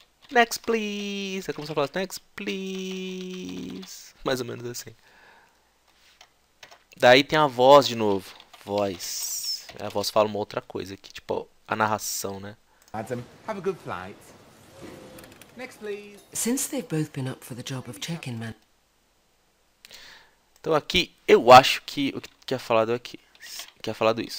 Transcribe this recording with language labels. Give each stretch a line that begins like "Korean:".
English: Next, please.
Portuguese: Ela começou a falar
English: next, please.
Portuguese: Mais ou menos assim. Daí tem a voz de novo. Voz. A voz fala uma outra coisa aqui, tipo a narração, né?
English: Adam, have a good flight. Next, please. Since they've both been up for the job of check-in man.
Portuguese: Então aqui eu acho que o que é falado aqui, que é falado isso.